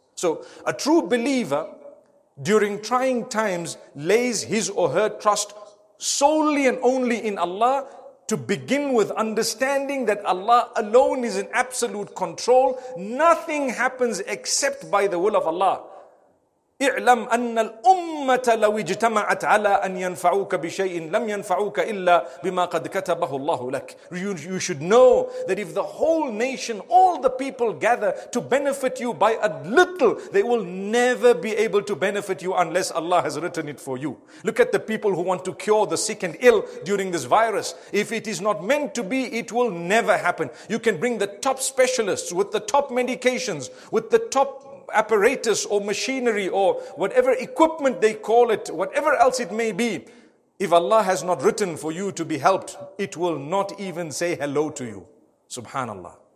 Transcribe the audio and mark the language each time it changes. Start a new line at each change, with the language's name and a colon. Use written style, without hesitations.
English: So a true believer during trying times lays his or her trust solely and only in Allah, to begin with understanding that Allah alone is in absolute control. Nothing happens except by the will of Allah.
Arabic: اعلم أن الأمة لو اجتمعت على أن ينفعوك بشيء لم ينفعوك إلا بما قد كتبه الله لك.
English: You should know that if the whole nation, all the people gather to benefit you by a little, they will never be able to benefit you unless Allah has written it for you. Look at the people who want to cure the sick and ill during this virus. If it is not meant to be, it will never happen. You can bring the top specialists with the top medications, with the top apparatus or machinery or whatever equipment they call it, whatever else it may be, if Allah has not written for you to be helped, it will not even say hello to you. Subhanallah.